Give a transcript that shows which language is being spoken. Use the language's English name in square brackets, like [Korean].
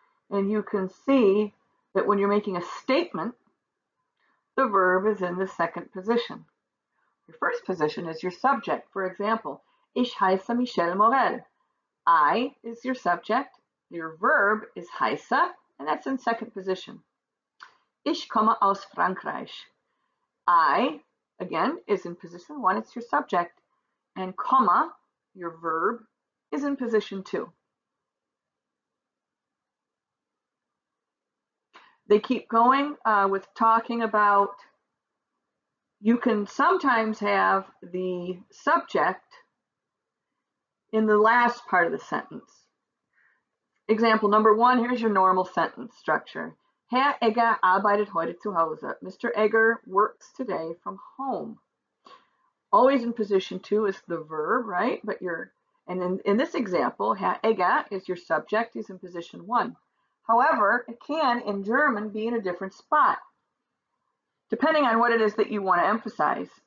[English] And you can see that when you're making a statement, the verb is in the second position. Your first position is your subject. For example, [German] ich heiße [English] Michelle Morel. I is your subject, your verb is heiße, and that's in second position. [German] Ich komme aus Frankreich. [English] I, again, is in position one, it's your subject, and komme, your verb, is in position two. They keep going with talking about, you can sometimes have the subject in the last part of the sentence. Example number one, here's your normal sentence structure. [German] Herr Egger arbeitet heute zu Hause. [English] Mr. Egger works today from home. Always in position two is the verb, right? But you're, and in this example, Herr Egger is your subject, he's in position one. However, it can in German be in a different spot, depending on what it is that you want to emphasize.